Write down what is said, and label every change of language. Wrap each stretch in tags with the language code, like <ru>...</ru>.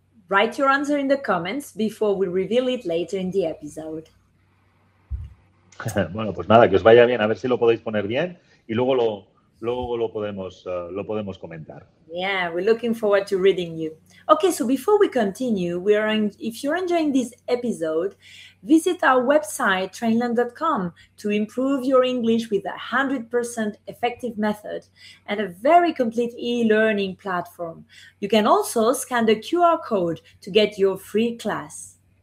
<en>Write your answer in the comments before we reveal it later in the episode.</en> <es>Bueno, pues nada, que os vaya bien. A ver si lo podéis poner bien y luego lo podemos comentar.</es> <en>Yeah, we're looking forward to reading you. Okay, so before we continue, if you're enjoying this episode, visit our website, trainland.com, to improve your English with a 100% effective method and a very complete e-learning platform. You can also scan the QR code to get your free class.</en>